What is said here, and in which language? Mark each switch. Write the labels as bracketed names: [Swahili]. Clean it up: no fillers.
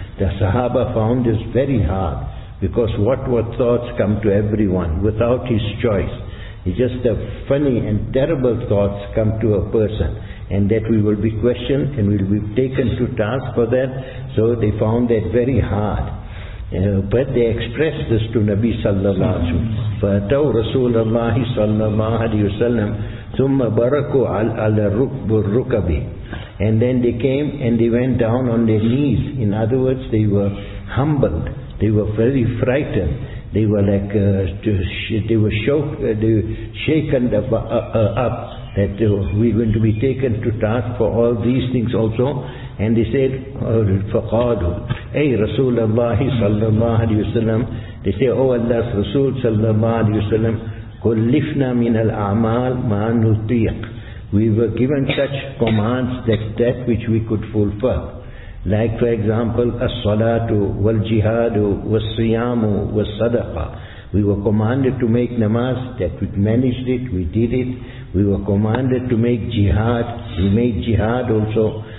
[English] The Sahaba found this very hard, because what thoughts come to everyone without his choice? It's just a funny and terrible thoughts come to a person, and that we will be questioned and we will be taken to task for that. So they found that very hard. But they expressed this to Nabi sallallahu alayhi wa sallam. [Arabic] فَأَتَوْ رَسُولَ اللَّهِ sallallahu alayhi wa sallam ثُمَّ بَرَكُوا عَلَىٰ الرُّكَبِ. [English] And then they came and they went down on their knees. In other words, they were humbled. They were very frightened. They were like, they were shaken up that we're going to be taken to task for all these things also. And they said, [Arabic] فَقَالُوا أَيْ رَسُولَ اللَّهِ صَلَّى اللَّهُ عَلَيْهِ وَسَلَّمُ. [English] They say, oh Allah's Rasul [Arabic] صَلَّى اللَّهُ عَلَيْهِ وَسَلَّمُ كُلِّفْنَا مِنَ الْأَعْمَالِ مَا نُطِيقُ. [English] We were given such commands that which we could fulfill. Like for example, as-salatu, wal-jihadu, was-siyamu, was-sadaqa. We were commanded to make namaz, that we managed it, we did it. We were commanded to make jihad, we made jihad also.